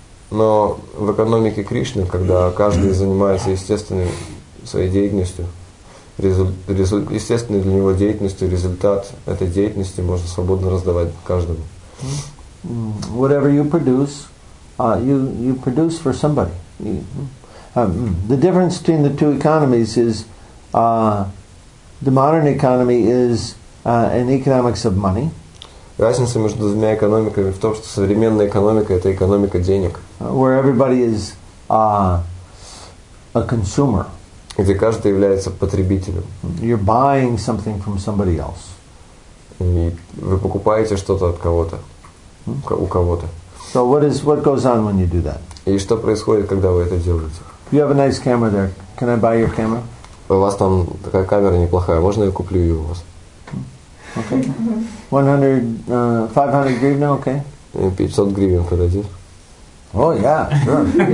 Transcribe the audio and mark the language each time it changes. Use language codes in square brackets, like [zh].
[ru] Но в экономике Кришны, когда каждый занимается естественной своей деятельностью, естественной для него деятельностью, результат этой деятельности можно свободно раздавать каждому. [en] Whatever you produce, you produce for somebody. The difference between the two economies is the modern economy is in economics of money. [ru] Разница между двумя экономиками в том, что современная экономика – это экономика денег. [en] Where everybody is a consumer. [ru] Где каждый является потребителем. [en] You're buying something from somebody else. [ru] И вы покупаете что-то от кого-то, у кого-то. [en] So what goes on when you do that? [ru] И что происходит, когда вы это делаете? [en] You have a nice camera there. Can I buy your camera? [ru] У вас там такая камера неплохая. Можно я куплю ее у вас? [en] Okay. [ru] 500 гривен, okay. 500 гривен подойдет. [en] Oh, yeah, sure.